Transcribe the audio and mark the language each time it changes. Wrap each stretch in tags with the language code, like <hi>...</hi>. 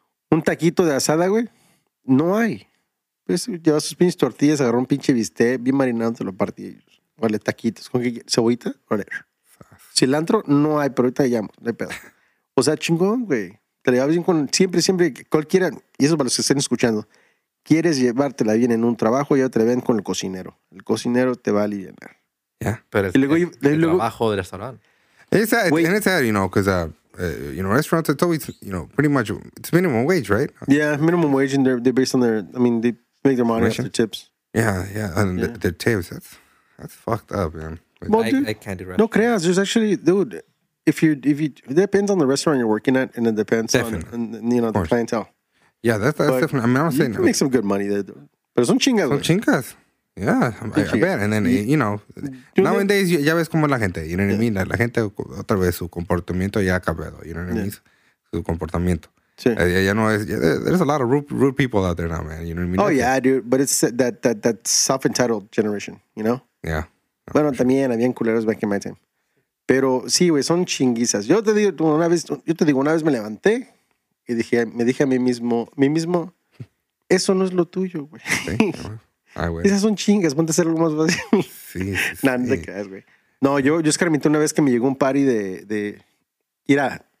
<es>Un taquito de asada, güey. No hay. Pues llevas sus pinches tortillas, agarró un pinche bistec, bien marinado, te lo partí ellos. Vale, taquitos. ¿Con qué? ¿Cebollita? Vale. Cilantro, no hay, pero ahorita llamo. No hay pedo. O sea, chingón, güey. Te la llevas bien con... Siempre, cualquiera. Y eso para los que estén escuchando. Quieres llevártela bien en un trabajo, ya te la ven con el cocinero. El cocinero te va a aliviar. Ya, pero el trabajo del restaurante.</es> <en>It's sad, and it's sad, you know, because, you know, restaurants, it's always, you know, pretty much, it's minimum wage, right? Yeah, minimum wage, and they're based on their, I mean, they make their money off their tips. Yeah, yeah, and yeah. Their tips, That's fucked up, man.</en> <es>No creas.</es> <en>There's actually, dude, if you, it depends on the restaurant you're working at, and it depends on, you know, the clientele. Yeah, that's but definitely, I mean, I'm not saying you can make some good money there, dude.</en> <es>Pero son chingas. Son chingas.</es> <en>Yeah, I bet. And then, you know, nowadays,</en> <es>ya ves como la gente,</es> <en>you know what I mean?</en> <es>La gente, otra vez, su comportamiento ya ha cambiado,</es> <en>you know what I mean?</en> <es>Su comportamiento. Sí.</es> <en>There's a lot of rude people out there now, man. You know what I mean? Oh, yeah, dude. But it's that self-entitled generation, you know? Yeah.</en> <es>No, bueno, sure. También habían culeros</es> <en>back in my time.</en> <es>Pero sí, güey, son chinguizas. Yo te digo, una vez me levanté y me dije a mí mismo, eso no es lo tuyo, güey. Sí. Esas son chingas, ponte a hacer algo más fácil. Sí. Nah, no te creas, güey. No, yo escarmenté una vez que me llegó un party de ir a...</es>